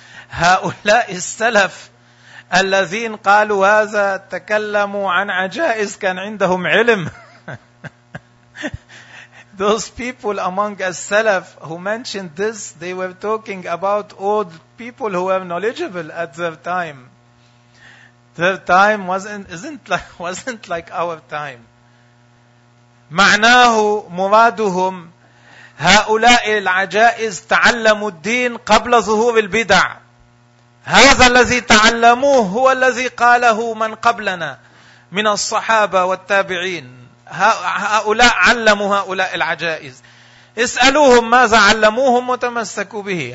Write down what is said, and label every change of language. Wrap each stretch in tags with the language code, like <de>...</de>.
<ar>هؤلاء السلف الذين قالوا هذا تكلموا عن عجائز كان عندهم علم.</ar> <en>Those people among the Salaf who mentioned this, they were talking about old people who were knowledgeable at their time. Their time wasn't like our time.</en> <ar>معناه مرادهم هؤلاء العجائز تعلموا الدين قبل ظهور البدع. هذا الذي تعلموه هو الذي قاله من قبلنا من الصحابة والتابعين. هؤلاء علموا هؤلاء العجائز. اسألوهم ماذا علموهم وتمسكوا به.</ar>